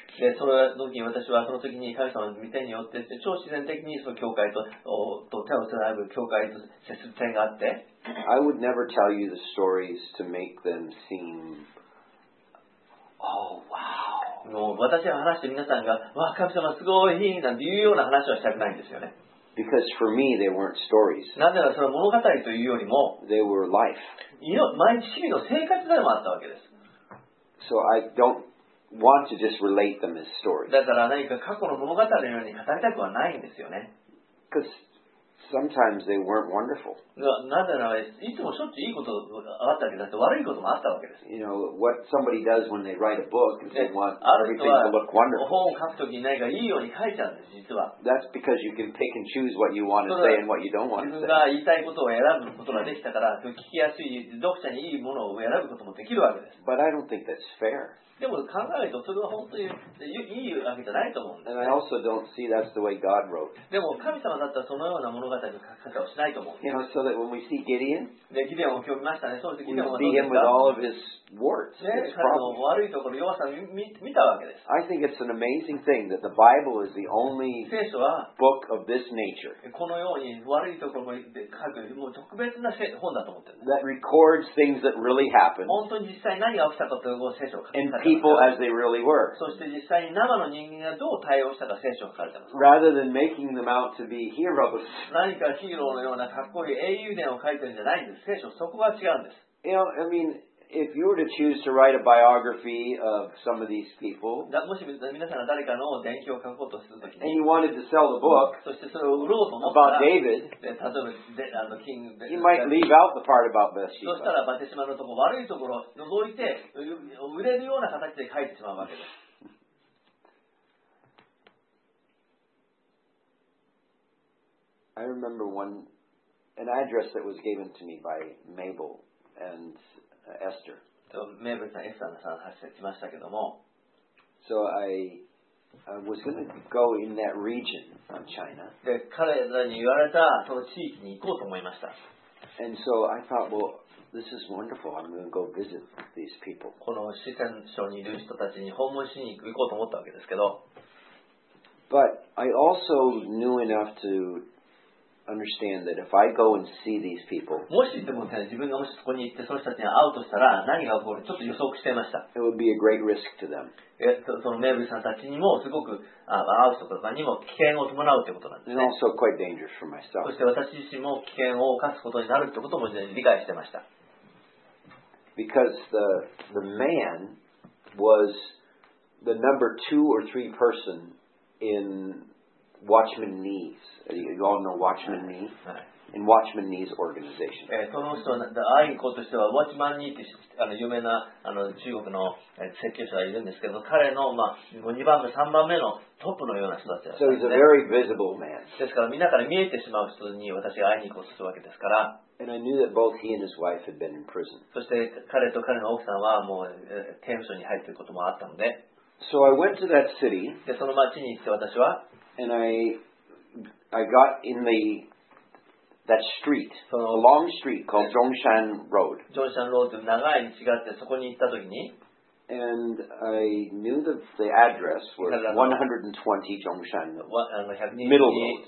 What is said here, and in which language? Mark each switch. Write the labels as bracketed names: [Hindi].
[Japanese] で、その時に私はその時に神様の御手によって超自然的にその教会と手をつなぐ教会と接する点があって。 [English] I would never tell you the stories to make them seem, oh wow. [Japanese] もう私が話して皆さんが、わあ、神様すごいなんていうような話はしたくないんですよね。 [English] Because for me, they weren't stories. [Japanese] なぜならその物語というよりも、 [English] they were life. [Japanese] 毎日日々の生活でもあったわけです。 [English] So I don't want to just relate them as stories. [Japanese] だから何か過去の物語のように語りたくはないんですよね。 [English] Because sometimes they weren't wonderful. [Japanese] なぜならいつもしょっちゅういいことがあったわけだって悪いこともあったわけです。 [English] You know, what somebody does when they write a book is they want everything to look wonderful. [Japanese] 本を書くときに何かいいように書いちゃうんです、実は。 [English] That's because you can pick and choose what you want to say and what you don't want to say. [Japanese] 自分が言いたいことを選ぶことができたから、聞きやすい読者にいいものを選ぶこともできるわけです。 [English] But I don't think that's fair. [Japanese] でも考えるとそれは本当にいいわけじゃないと思うんです、ね。 [English] And I also don't see that's the way God wrote. [Japanese] でも神様だったらそのような物語の書き方をしないと思うんです。 [English] You know, so that when we see Gideon, [Japanese] でギデオンを今日見ましたね。そうですね。 [English] We see him with all of his warts. [Japanese] ね、彼の悪いところ、弱さを見たわけです。 [English] I think it's an amazing thing that the Bible is the only book of this nature. [Japanese] このように悪いところも書く、もう特別な本だと思ってる。 [English] That records things that really happened. [Japanese] 本当に実際何が起きたかというのを聖書を書いた。 [English] People as they really were. [Japanese] そして実際に生の人間がどう対応したか聖書を書かれてます。 [English] Rather than making them out to be heroes. [Japanese] 何かヒーローのようなかっこいい英雄伝を書いてるんじゃないんです。聖書そこが違うんです。 [English] You know, I mean, if you were to choose to write a biography of some of these people, [Japanese] もし皆さんが誰かの伝記を書こうとするときに、 [English] and you wanted to sell the book, [Japanese] そしてそれを売ろうと思ったら、 [English] about David, [Japanese] 例えばキング、 [English] you might leave out the part about Bathsheba. [Japanese] そしたらバテシマのところ悪いところを除いて売れるような形で書いてしまうわけです。 [English] I remember an address that was given to me by Mabel and. Esther. [Japanese] メーブルさん、エスターさん発してきましたけども。 [English] So I was going to go in that region of China. [Japanese] で、彼らに言われたその地域に行こうと思いました。 [English] And so I thought, well, this is wonderful. I'm going to go visit these people. [Japanese] この四川省にいる人たちに訪問しに行こうと思ったわけですけど。 [English] But I also knew enough to understand that if I go and see these people, [Japanese] もしでも自分がもしそこに行ってその人たちに会うとしたら何が起こるちょっと予測していました。 [English] It would be a great risk to them. [Japanese] そのメーブルさんたちにもすごく会う人たちにも危険を伴うということなんですね。 [English] And also quite dangerous for myself. [Japanese] そして私自身も危険を犯すことになるということも理解していました。 [English] Because the man was the number two or three person in. Watchman Nee's. You all know Watchman Nee? In Watchman Nee's organization. [Japanese] その人は、アイコとしては、Watchman Nee って有名な中国の設計者がいるんですけど、彼の、まあ、2番目、3番目のトップのような人たちだったんですね。 [English] So he's a very visible man. [Japanese] ですから、みんなから見えてしまう人に私が会いに行こうとするわけですから。 [English] And I knew that both he and his wife had been in prison. [Japanese] そして彼と彼の奥さんはもう刑務所に入っていることもあったので。 [English] So I went to that city. [Japanese] で、その街に行って私は、 [English] And I got in that street, a long street called Zhongshan Road. [Japanese] Zhongshan Road という長い道があって、そこに行ったときに、 [English] And I knew that the address was 120 Zhongshan, middle road,